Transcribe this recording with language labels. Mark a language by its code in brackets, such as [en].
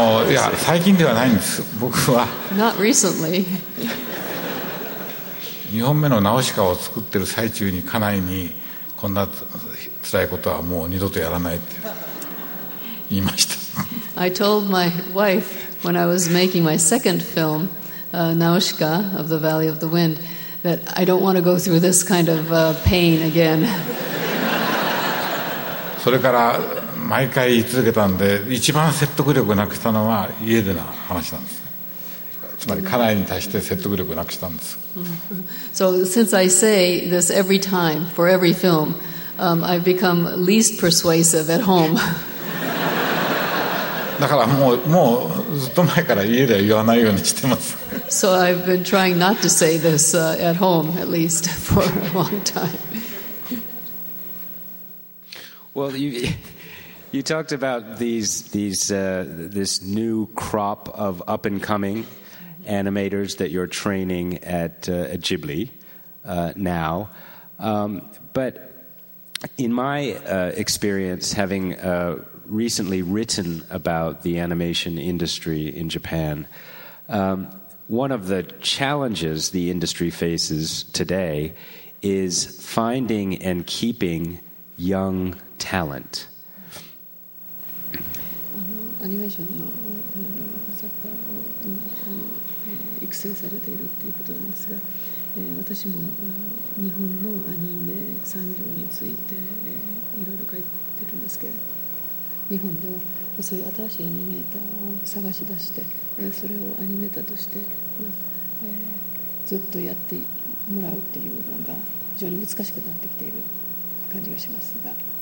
[ja] いや最近ではないんです僕は。 [en] Not recently. [ja] 2本目のナウシカを作ってる最中に家内にこんな辛いことはもう二度とやらないって言いました。 [en] I told my wife when I was making my second film, Naushka of the Valley of the Wind. That I don't want to go through this kind of pain again. [ja] それから毎回言い続けたんで、一番説得力なくしたのは家での話なんです。つまり家内に対して説得力なくしたんです。 [en] So since I say this every time for every film, I've become least persuasive at home. [ja] だからもうずっと前から家では言わないようにしてます。 [en] So I've been trying not to say this at home, at least for a long time. Well, you talked about this new crop of up and coming animators that you're training at Ghibli now. But in my experience, having recently written about the animation industry in Japan. One of the challenges the industry faces today is finding and keeping young talent. [ja] アニメーションの作家を今育成されているということなんですが、私も日本のアニメ産業についていろいろ書いてるんですけど、日本ではそういう新しいアニメーターを探し出して、それをアニメーターとしてずっとやってもらうっていうのが非常に難しくなってきている感じがしますが、